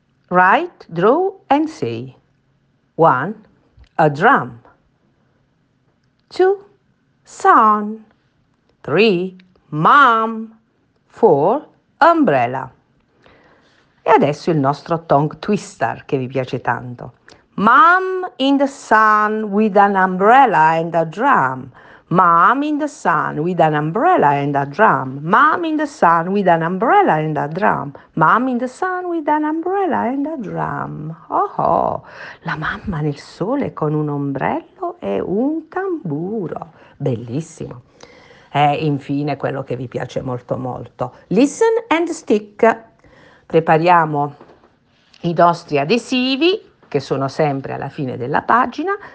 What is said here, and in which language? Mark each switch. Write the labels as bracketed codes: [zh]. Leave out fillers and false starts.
[en] Write, draw and say. One, a drum. Two, sun. Three, mom. Four, umbrella. [it] E adesso il nostro tongue twister che vi piace tanto. [en] Mom in the sun with an umbrella and a drum. Mom in the sun with an umbrella and a drum. Mom in the sun with an umbrella and a drum. Mom in the sun with an umbrella and a drum. [it] Oh oh, la mamma nel sole con un ombrello e un tamburo. Bellissimo. E infine quello che vi piace molto molto. [en] Listen and stick. [it] Prepariamo i nostri adesivi, che sono sempre alla fine della pagina.